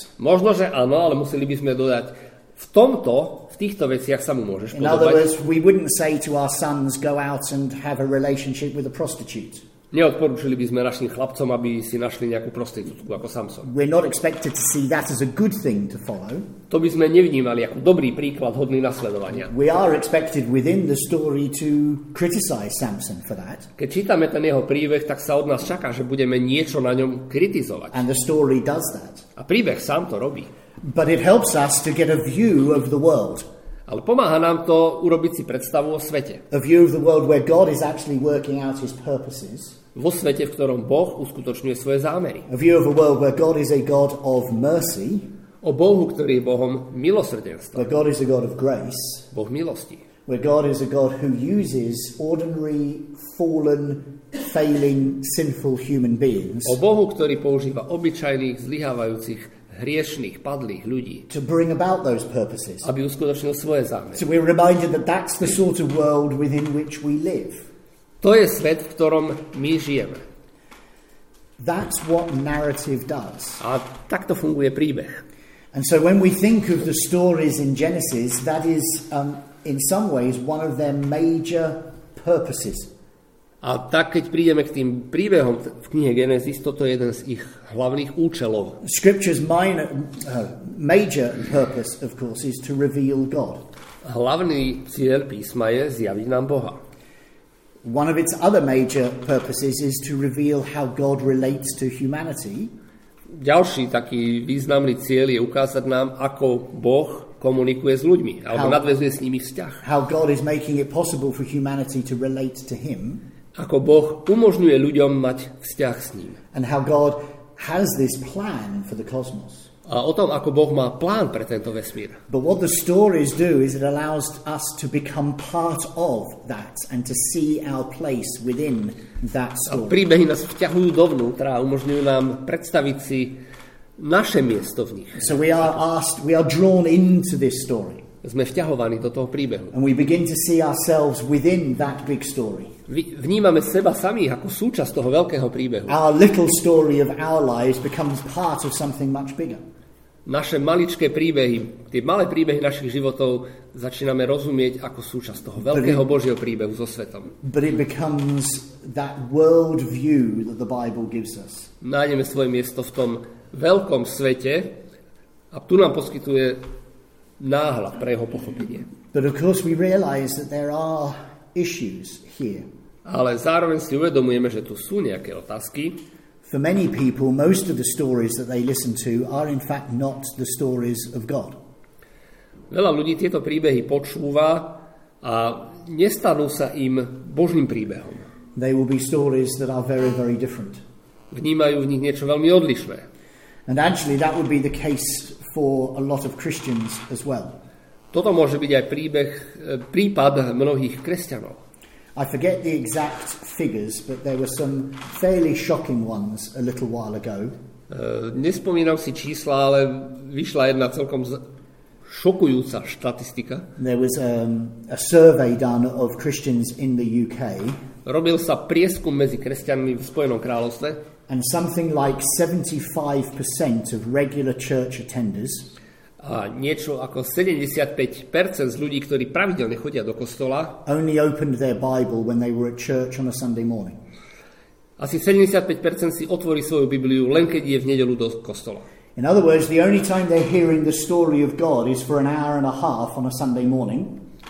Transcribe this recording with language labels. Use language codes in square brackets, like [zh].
[sk] Možno, že áno, ale museli by sme dodať, v tomto, v týchto veciach sa mu môžeš podobať. [en] In other words, we wouldn't say to our sons, go out and have a relationship with a prostitute. [sk] Neodporúčili by sme našim chlapcom, aby si našli nejakú prostitútku ako Samson. [en] We're not expected to see that as a good thing to follow. [sk] To by sme nevnímali ako dobrý príklad hodný nasledovania. [en] We are expected within the story to criticize Samson for that. [sk] Keď čítame ten jeho príbeh, tak sa od nás čaká, že budeme niečo na ňom kritizovať. [en] And the story does that. [sk] A príbeh sám to robí. [en] But it helps us to get a view of the world. [sk] Ale pomáha nám to urobiť si predstavu o svete. [en] A view of the world where God is actually working out his purposes. [sk] Vo svete, v ktorom Boh uskutočňuje svoje zámery. [en] A view of a world where God is a God of mercy. [sk] O Bohu, ktorý je Bohom milosrdenstva. [en] Where God is a God of grace. [sk] Boh milosti. [en] Where God is a God who uses ordinary, fallen, failing, sinful human beings. [sk] O Bohu, ktorý používa obyčajných, zlyhávajúcich, hriešných, padlých ľudí. [en] To bring about those purposes. [sk] Aby uskutočnil svoje zámery. [en] So we're reminded that that's the sort of world within which we live. [sk] To je svet, v ktorom my žijeme. [en] That's what narrative does. [sk] A takto funguje príbeh. [en] And so when we think of the stories in Genesis, that is in some ways one of their major purposes. [sk] A tak keď prídeme k tým príbehom v knihe Genesis, toto je jeden z ich hlavných účelov. [en] Scripture's minor, major purpose of course is to reveal God. [sk] Hlavný cieľ písma je zjaviť nám Boha. [en] One of its other major purposes is to reveal how God relates to humanity. [sk] Ďalší taký významný cieľ je ukázať nám, ako Boh komunikuje s ľuďmi, alebo nadväzuje s nimi vzťah. [en] How God is making it possible for humanity to relate to him. [sk] Ako Boh umožňuje ľuďom mať vzťah s ním. [en] And how God has this plan for the cosmos. [sk] A o tom, ako Boh má plán pre tento vesmír. [en] But what the stories do is it allows us to become part of that and to see our place within that story. [sk] A príbehy nás vťahujú dovnútra a umožňujú nám predstaviť si naše miesto v nich. [en] So we are asked, we are drawn into this story. [sk] Sme vťahovaní do toho príbehu. [en] And we begin to see ourselves within that big story. [sk] Vnímame seba sami ako súčasť toho veľkého príbehu. [en] Our little story of our lives becomes part of something much bigger. [sk] Naše maličké príbehy, tie malé príbehy našich životov začíname rozumieť ako súčasť toho veľkého Božieho príbehu so svetom. [en] But it becomes that world view that the Bible gives us. [sk] Nájdeme svoje miesto v tom veľkom svete a tu nám poskytuje náhľad pre jeho pochopenie. [en] But of course we realize that there are issues here. [sk] Ale zároveň si uvedomujeme, že tu sú nejaké otázky. [en] For many people, most of the stories that they listen to are in fact not the stories of God. [sk] Veľa ľudí tieto príbehy počúva a nestanú sa im Božým príbehom. [en] They will be stories that are very, very different. [sk] Vnímajú v nich niečo veľmi odlišné. [en] And actually that would be the case for a lot of Christians as well. [sk] Toto môže byť aj prípad mnohých kresťanov. [en] I forget the exact figures, but there were some fairly shocking ones a little while ago. [sk] Nespomínam si čísla, ale vyšla jedna celkom šokujúca štatistika. [en] There was a survey done of Christians in the UK. [sk] Robil sa prieskum medzi kresťanmi v Spojenom kráľovstve. [en] And something like 75% of regular church attenders. [sk] A niečo ako 75% z ľudí, ktorí pravidelne chodia do kostola, [en] only opened their Bible when they were at church on a Sunday morning. [sk] Asi 75% si otvorí svoju Bibliu len keď je v nedeľu do kostola. [en] In other words, the only time they're hearing the story of God is for an hour and a half on a Sunday morning.